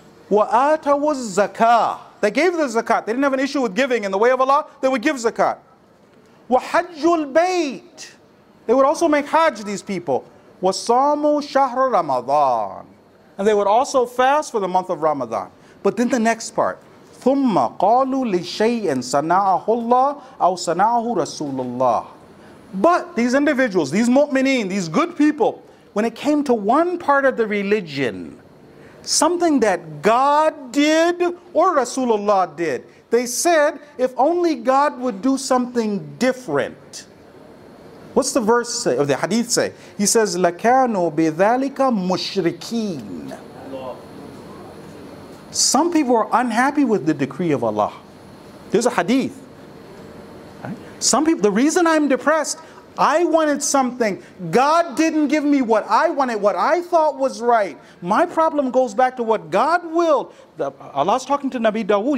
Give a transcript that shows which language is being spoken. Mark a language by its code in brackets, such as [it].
[ar] وآتوا الزكاة. [en] They gave the zakat. They didn't have an issue with giving in the way of Allah. They would give zakat. [ar] وحجوا البيت. [en] They would also make hajj, these people. [ar] وصاموا شهر رمضان. [en] And they would also fast for the month of Ramadan. But then the next part. [ar] ثم قالوا لشيء صنعه الله أو صنعه رسول الله. [en] But these individuals, these mu'mineen, these good people, when it came to one part of the religion, something that God did or Rasulullah did, they said, if only God would do something different. What's the verse say, or the hadith say? He says, [ar] لَكَانُوا بِذَلِكَ مُشْرِكِينَ. [en] Some people are unhappy with the decree of Allah. There's a hadith. Some people, the reason I'm depressed, I wanted something. God didn't give me what I wanted, what I thought was right. My problem goes back to what God willed. Allah's talking to Nabi Dawood.